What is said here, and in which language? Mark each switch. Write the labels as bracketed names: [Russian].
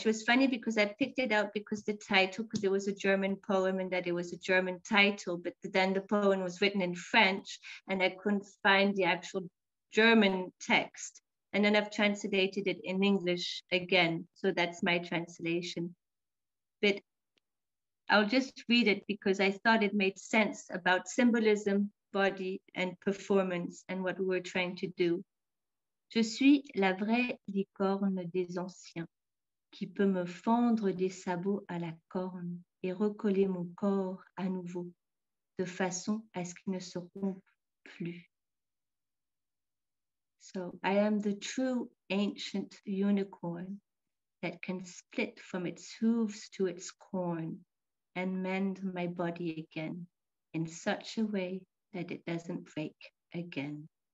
[English] It was funny because I picked it out because the title, because it was a German poem and that it was a German title, but then the poem was written in French and I couldn't find the actual German text. And then I've translated it in English again. So that's my translation. But I'll just read it because I thought it made sense about symbolism, body and performance and what we're trying to do. [French] Je suis la vraie licorne des anciens qui peut me fendre des sabots à la corne et recoller mon corps à nouveau de façon à ce qu'il ne se rompe plus. [English] So I am the true ancient unicorn that can split from its hooves to its corn and mend my body again in such a way that it doesn't break again.